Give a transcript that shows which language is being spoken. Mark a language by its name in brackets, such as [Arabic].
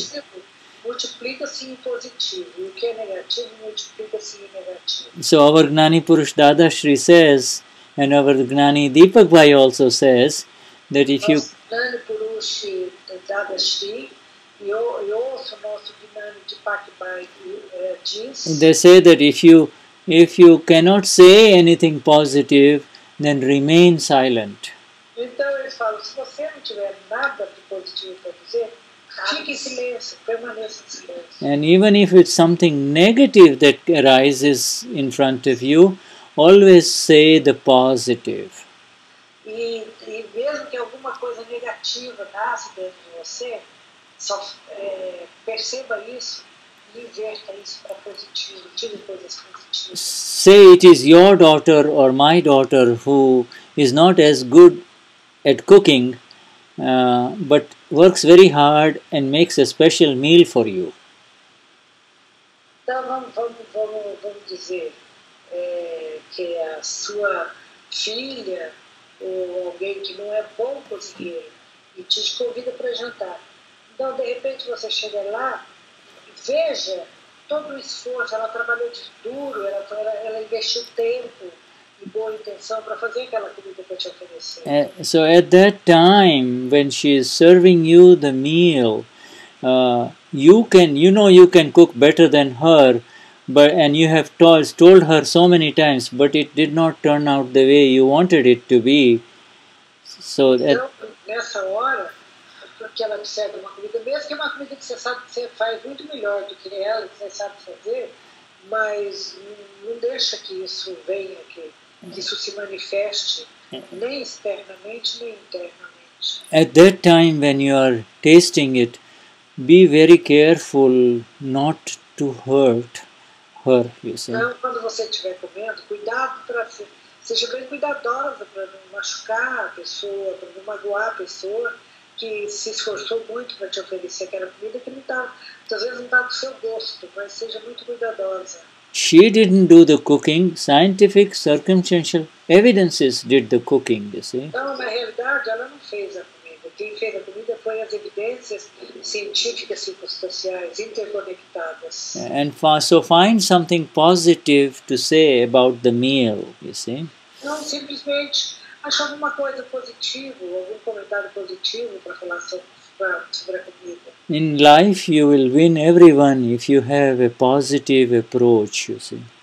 [English] So our Gnani Purush Dadashri says, and our Gnani Deepak Bhai also says that if you... Gnani Purush Dadashri, Gnani Deepak Bhai, they say that if you cannot say anything positive, then remain silent. [Portuguese] Então eles falam, se você não tiver nada de positivo para dizer, fique em silêncio, permaneça em silêncio. [English] And even if it's something negative that arises in front of you, always say the positive. [Portuguese] E mesmo que alguma coisa negativa nasce dentro de você, só perceba isso e inverta isso para positivo, tire coisas positivas. [English] Say it is your daughter or my daughter who is not as good at cooking, but works very hard and makes a special meal for you. [Portuguese] Então vamos dizer que a sua filha ou alguém que não é bom cozinheiro e te convida para jantar. Então, de repente, você chega lá, veja todo o esforço, ela trabalhou de duro, ela investiu tempo e boa intenção para fazer aquela comida que eu te ofereci. [English] So, at that time, when she is serving you the meal, you can cook better than her, but and you have told her so many times, but it did not turn out the way you wanted it to be. So that [Portuguese] então, nessa hora, porque ela me serve uma comida, mesmo que é uma comida que você sabe que você faz muito melhor do que ela, que você sabe fazer, mas não deixa que isso venha, que isso se manifeste, nem externamente, nem internamente. [English] At that time when you are tasting it, be very careful not to hurt her, you see. [Portuguese] Então, quando você estiver comendo, cuidado para ser, seja bem cuidadosa para não machucar a pessoa, para não magoar a pessoa que se esforçou muito para te oferecer aquela comida que não está, às vezes não está do seu gosto, mas seja muito cuidadosa. [English] She didn't do the cooking. Scientific, circumstantial evidences did the cooking, you see. [Portuguese] Então, na realidade, ela não fez a comida. Quem fez a comida foi as evidências científicas, circunstanciais, interconectadas. [English] And so find something positive to say about the meal, you see. [Portuguese] Então, simplesmente, acha alguma coisa positiva, algum comentário positivo para falar sobre a comida. [English] In life, you will win everyone if you have a positive approach, you see.